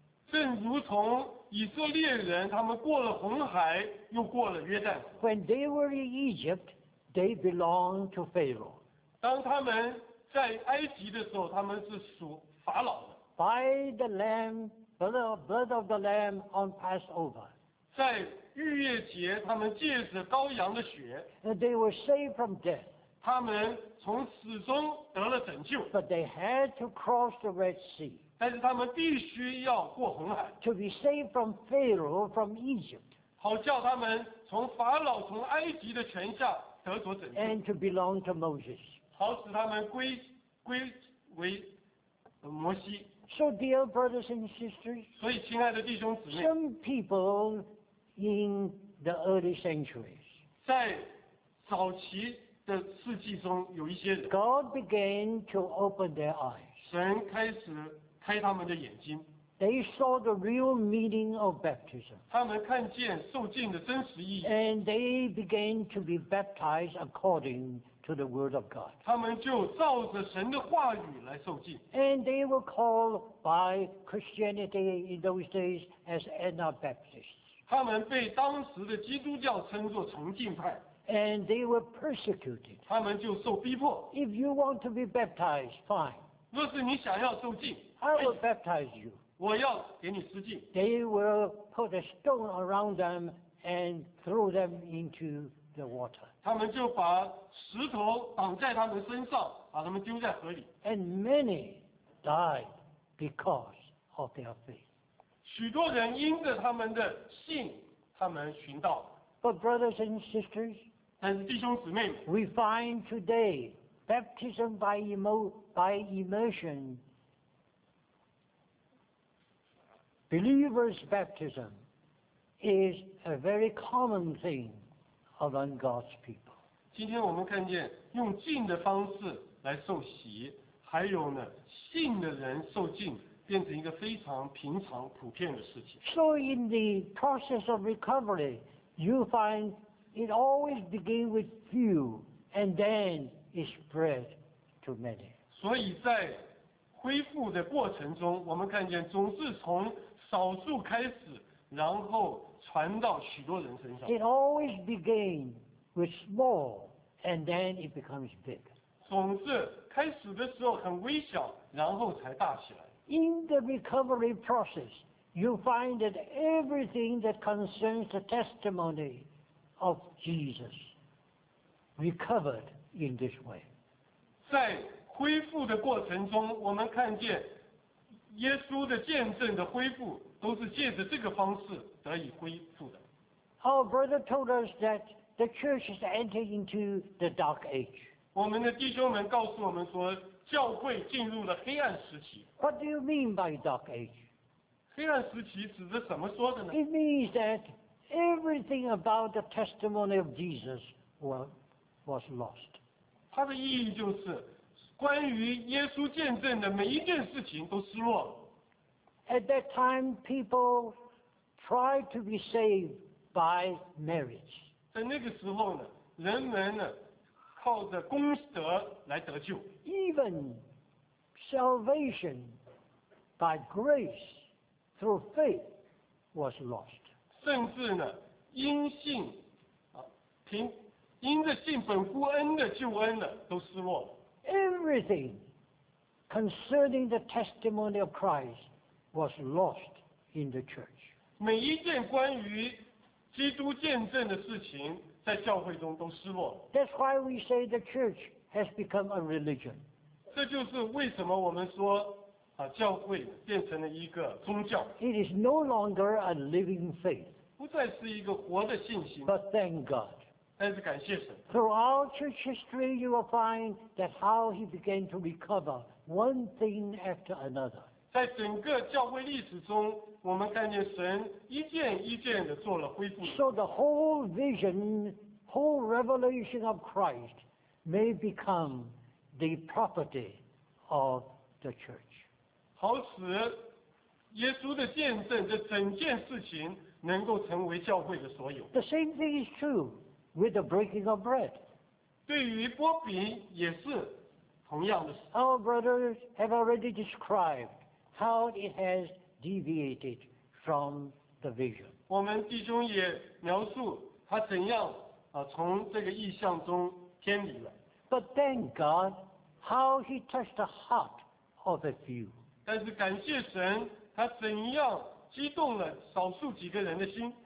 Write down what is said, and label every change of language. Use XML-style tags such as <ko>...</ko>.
<zh>正如同以色列人他们过了红海，又过了约旦。</zh> <en>When they were in Egypt, they belonged to Pharaoh.</en> <zh>当他们在埃及的时候，他们是属法老的。</zh> <en>By the lamb, blood of the lamb on Passover.</en> <zh>在逾越节，他们借着羔羊的血。</zh> <en>They were saved from death.</en> <zh>他们从死中得了拯救。</zh> <en>But they had to cross the Red Sea.</en> <zh>但是他们必须要过红海。</zh> <en>To be saved from Pharaoh from Egypt.</en> <zh>好叫他们从法老从埃及的权下得着拯救。</zh> <en>And to belong to Moses.</en> <zh>好使他们归为摩西。</zh> <en>So, dear brothers and sisters,</en> <zh>所以亲爱的弟兄姊妹，</zh> <en>some people in the early centuries,</en> <zh>在早期的世纪中有一些人，</zh> <en>God began to open their eyes.</en> <zh>神开始开他们的眼睛。</zh> <en>They saw the real meaning of baptism.</en> <zh>他们看见受浸的真实意义。</zh> <en>And they began to be baptized according to the word of God.</en> <zh>他们就照着神的话语来受浸。</zh> <en>And they were called by Christianity in those days as Anabaptists.</en> <zh>他们被当时的基督教称作崇敬派。</zh> <en>And they were persecuted.</en> <zh>他们就受逼迫。</zh> <en>If you want to be baptized, fine.</en> <zh>若是你想要受浸，</zh> <en>I will baptize you.</en> <zh>我要给你施浸。</zh> <en>They will put a stone around them and throw them into the water.</en> <zh>他们就把石头挡在他们身上，把他们丢在河里。</zh> <en>And many died because of their faith.</en> <zh>许多人因着他们的信，他们寻道。</zh> <en>But brothers and sisters,</en> <zh>但是弟兄姊妹们，</zh> <en>we find today baptism by immersion. Believers' baptism is a very common thing among God's people.</en> <zh>今天我们看见用浸的方式来受洗，还有呢，信的人受浸变成一个非常平常普遍的事情。</zh> <en>So in the process of recovery, you find it always began with few and then it spread to many.</en> <zh>所以在恢复的过程中，我们看见总是从少数开始，然后传到许多人身上。</zh> <en>It always began with small and then it becomes big.</en> <zh>总是开始的时候很微小，然后才大起来。</zh> <en>In the recovery process, you find that everything that concerns the testimony of Jesus recovered in this way.</en> <zh>在恢复的过程中，我们看见耶稣的见证的恢复都是借着这个方式得以恢复的。</zh> <en>Our brother told us that the church has entered into the dark age.</en> <zh>我们的弟兄们告诉我们说，教会进入了黑暗时期。</zh> <en>What do you mean by dark age?</en> <zh>黑暗时期指的怎么说的呢</zh> <en>？It means that everything about the testimony of Jesus was lost.</en> <zh>它的意义就是。关于耶稣见证的每一件事情都失落了。</zh> <en>At that time, people tried to be saved by marriage.</en> <zh>在那个时候呢，人们呢靠着功德来得救。</zh> <en>Even salvation by grace through faith was lost.</en> <zh>甚至呢，因信啊，因着信本乎恩的救恩呢，都失落了。</zh> <en>Everything concerning the testimony of Christ was lost in the church.</en> <zh>每一件关于基督见证的事情在教会中都失落了。</zh> <en>That's why we say the church has become a religion.</en> <zh>这就是为什么我们说啊，教会变成了一个宗教。</zh> <en>It is no longer a living faith.</en> <zh>不再是一个活的信心。</zh> <en>But thank God.</en> <zh>但是感谢神。</zh> <en>Throughout church history, you will find that how he began to recover one thing after another.</en> <zh>在整个教会历史中，我们看见神一件一件的做了恢复。</zh> <en>So the whole vision, whole revelation of Christ may become the property of the church.</en> <zh>好使耶稣的见证，这整件事情能够成为教会的所有。</zh> <en>The same thing is true. With the breaking of bread.</en> <zh>对于擘饼也是同样的事。</zh> <en>Our brothers have already described how it has deviated from the vision.</en> <zh>我们弟兄也描述他怎样从这个意象中偏离了。</zh> <en>But thank God how he touched the heart of a few.</en> <zh>但是感谢神他怎样激动了少数几个人的心。</zh>